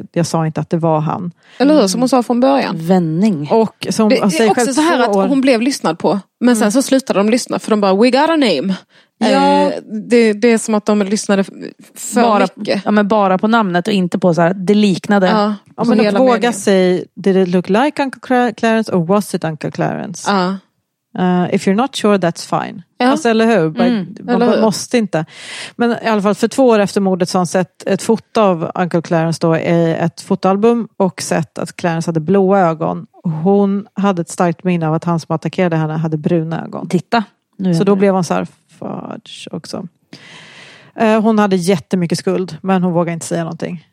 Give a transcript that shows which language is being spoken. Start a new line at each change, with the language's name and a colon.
Swedish: Jag sa inte att det var han. Eller som hon sa från början. Vändning. Och som, det är alltså, också så här att år. Hon blev lyssnad på. Men sen så slutade de lyssna för de bara,
English: we got a name.
Swedish: Ja, det är som att de lyssnade för bara, mycket. Ja, men bara på namnet och inte på så här, det liknade. Ja, men att våga säga,
English: did it look like Uncle Clarence or was it Uncle Clarence?
Swedish: Ja.
English: If you're not sure, that's fine.
Swedish: Ja. Alltså, eller hur? Mm, eller hur? Måste inte. Men i alla fall, för 2 år efter mordet så har han sett ett foto av Uncle Clarence då i ett fotoalbum och sett att Clarence hade blåa ögon. Hon hade ett starkt minne av att han som attackerade henne hade bruna ögon. Titta. Så då blev han så här, också. Hon hade jättemycket skuld, men hon vågade inte säga någonting.